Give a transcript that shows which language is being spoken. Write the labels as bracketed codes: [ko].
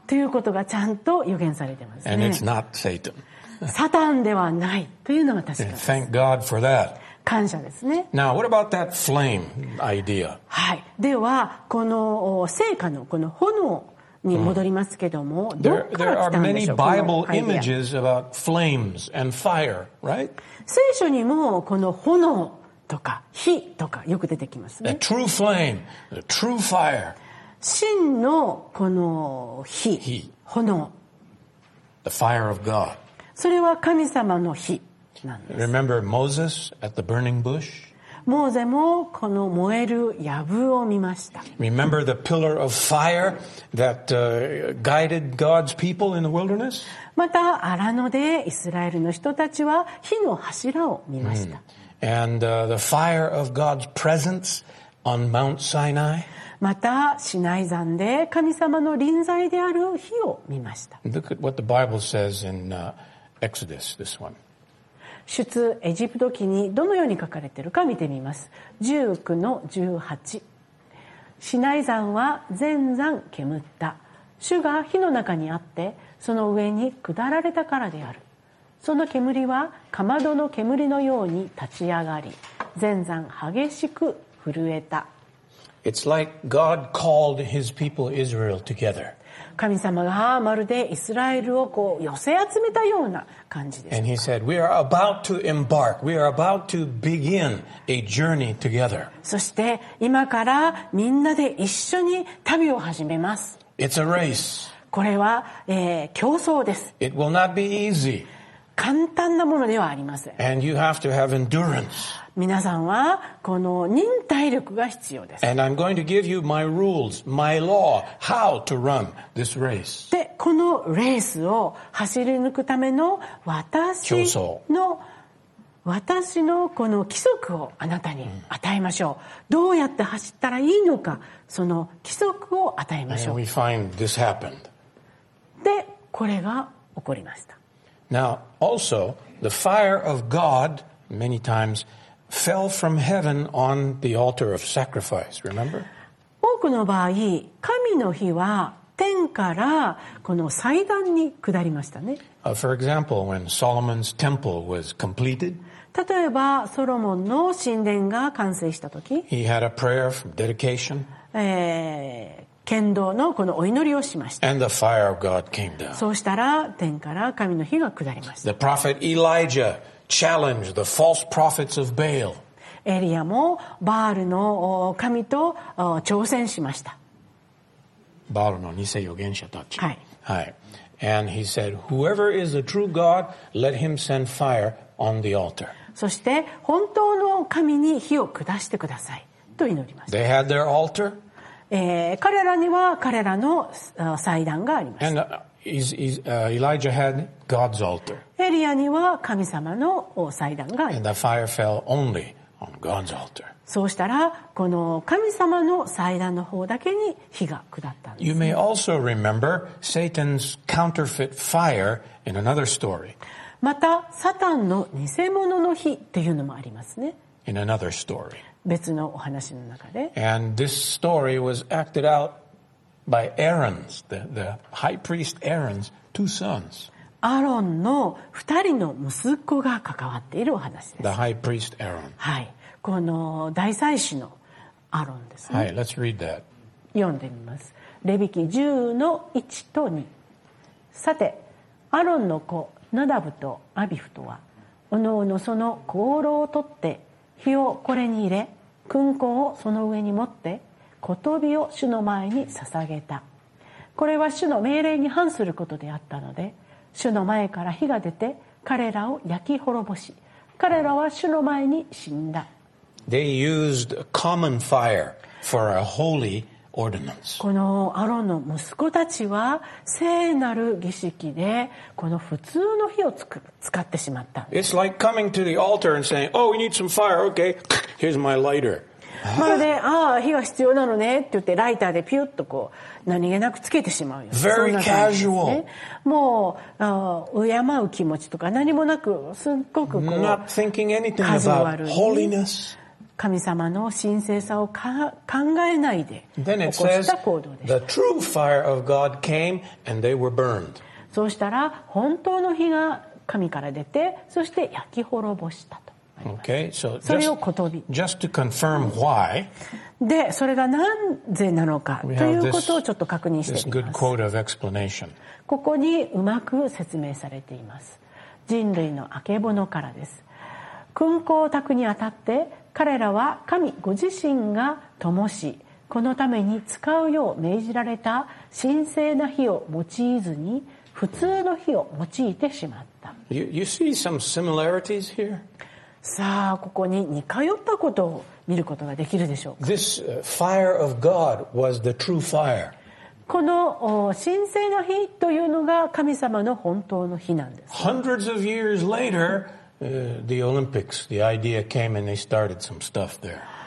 [ja] ということがちゃんと予言されていますね。 [en] And it's not Satan. [ja] サタンではないというのが確かです。 [en] Thank God for that. [ja] 感謝ですね。 [en] Now, what about that flame idea? [ja] はい。では、この聖火のこの炎に戻りますけども、どこから来たんでしょうか。 [en] There are many Bible images about flames and fire, right? [ja] 聖書にもこの炎とか火とかよく出てきますね。 [en] A true flame, a true fire. [ja] 真のこの火、 [en] He. [ja] 炎。 [en] The fire of God. [ja] それは神様の火なんです。 [en] Remember Moses at the burning bush? [ja] モーゼもこの燃えるやぶを見ました。 [en] Remember the pillar of fire that guided God's people in the wilderness? [ja] また、アラノでイスラエルの人たちは火の柱を見ました。 Mm. [en] And the fire of God's presence on Mount Sinai? [ja] また、シナイ山で神様の臨在である火を見ました。 [en] Look at what the Bible says in Exodus, this one. [ja] 出エジプト記にどのように書かれているか見てみます。 19-18。シナイ山は全山煙った。主が火の中にあって、その上に下られたからである。その煙はかまどの煙のように立ち上がり、全山激しく震えた。 [en] It's like God called His people Israel together. [ja] 神様がまるでイスラエルをこう寄せ集めたような感じです。 [en] And He said, "We are about to embark. We are about to begin a journey together." [ja] そして今からみんなで一緒に旅を始めます。 [en] It's a race. [ja] これは、競争です。 [en] It will not be easy. [ja] 簡単なものではありません。 [en] And you have to have endurance. [ja] 皆さんはこの忍耐力が必要です。 [en] And I'm going to give you my rules, my law, how to run this race. [ja] で、このレースを走り抜くための私の私のこの規則をあなたに与えましょう。どうやって走ったらいいのか、その規則を与えましょう。 [en] And we find this happened. [ja] で、これが起こりました。 [en] Now, also, the fire of God many times fell from heaven on the altar of sacrifice. Remember? [ja] 多くの場合、神の火は天からこの祭壇に下りましたね。 [en] For example, when Solomon's temple was completed, [ja] 例えばソロモンの神殿が完成した時、 [en] he had a prayer from dedication, [ja] 剣道のこのお祈りをしました。 [en] And the fire of God came down. [ja] そうしたら天から神の火が下りました。 [en] The prophet Elijah challenged the false prophets of Baal. [ja] エリアもバールの神と挑戦しました。バールの偽預言者たち。はい。はい。 [en] And he said, whoever is a true God, let him send fire on the altar. [ja] そして本当の神に火を下してくださいと祈りました。 [en] They had their altar. [ja] 彼らには彼らの祭壇がありました。 [en] And Elijah had God's altar. [ja] エリアには神様の祭壇があります。 [en] And the fire fell only on God's altar. [ja] そうしたらこの神様の祭壇の方だけに火が下ったんです、ね。 [en] You may also remember Satan's counterfeit fire in another story. [ja] またサタンの偽物の火っていうのもありますね。 [en] In another story. [ja] 別のお話の中で。 [en] And this story was acted out. By Aaron's, the high priest Aaron's two sons. [ja] アロンの二人の息子が関わっているお話です。 [en] The high priest Aaron. [ja] はい。この大祭司のアロンですね。はい。 [en] Let's read that. [ja] 読んでみます。レビ記10の1と2。さて、アロンの子、ナダブとアビフとは、おのおのその香炉を取って、火をこれに入れ、薫香をその上に持って、ことびを主の前に捧げた。これは主の命令に反することであったので、主の前から火が出て彼らを焼き滅ぼし、彼らは主の前に死んだ。 [en] They used common fire for a holy ordinance. [ja] このアロンの息子たちは聖なる儀式でこの普通の火を使ってしまった。 [en] It's like coming to the altar and saying, Oh, we need some fire. Okay, here's my lighter. [ja] まるで、ああ、火が必要なのねって言って、ライターでピュッとこう、何気なくつけてしまうよ。 [en] Very casual. [ja] もう、敬う気持ちとか何もなく、すっごくこう、 [en] Not thinking anything about holiness. [ja] 神様の神聖さを考えないで起こした行動でした。 [en] Then it says, the true fire of God came and they were burned. [ja] そうしたら、本当の火が神から出て、そして焼き滅ぼしたと。 [en] Okay, so just to confirm why. [ja] で、それがなぜなのかということをちょっと確認してみます。 [en] This good quote of explanation. [ja] ここにうまく説明されています。人類のあけぼのからです。薫香を焚くにあたって、彼らは神ご自身が灯し、このために使うよう命じられた神聖な火を用いずに、普通の火を用いてしまった。 [en] You see some similarities here? [ja] さあ、ここに似通ったことを見ることができるでしょうか。 [en] This fire of God was the true fire. [ja] この神聖の火というのが神様の本当の火なんです。 [en] Hundreds of years later, the Olympics, the idea came and they started some stuff there.